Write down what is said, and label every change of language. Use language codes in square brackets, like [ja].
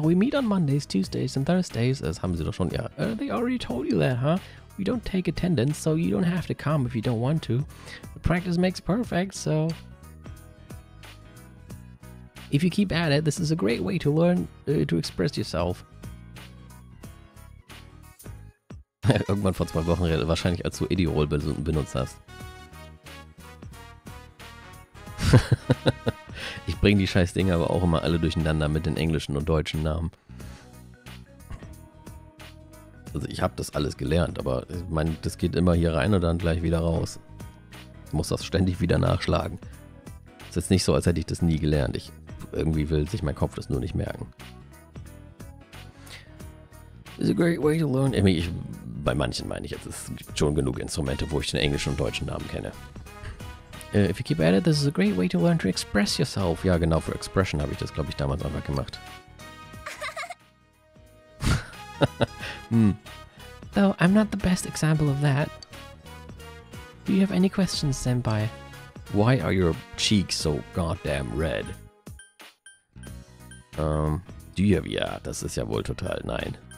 [en] We meet on Mondays, Tuesdays, and Thursdays, as [de] haben sie doch schon, ja. [en] They already told you that, huh? We don't take attendance, so you don't have to come if you don't want to. The practice makes perfect, so... If you keep at it, this is a great way to learn to express yourself. [de] Irgendwann vor zwei Wochen, wahrscheinlich als du Idiol benutzt hast. Ich bringe die scheiß Dinge aber auch immer alle durcheinander mit den englischen und deutschen Namen. Also ich habe das alles gelernt, aber ich meine, das geht immer hier rein und dann gleich wieder raus. Ich muss das ständig wieder nachschlagen. Es ist jetzt nicht so, als hätte ich das nie gelernt. Ich irgendwie will sich mein Kopf das nur nicht merken. [en] It's a great way to learn. [de] Bei manchen meine ich jetzt, es gibt schon genug Instrumente, wo ich den englischen und deutschen Namen kenne. [en] If you keep at it, this is a great way to learn to express yourself. [de] Ja, genau, für Expression habe ich das, glaube ich, damals einfach gemacht. [en] Though, I'm not the best example of that. Do you have any questions, senpai? Why are your cheeks so goddamn red? Do you have... [de] Ja, das ist ja wohl total nein.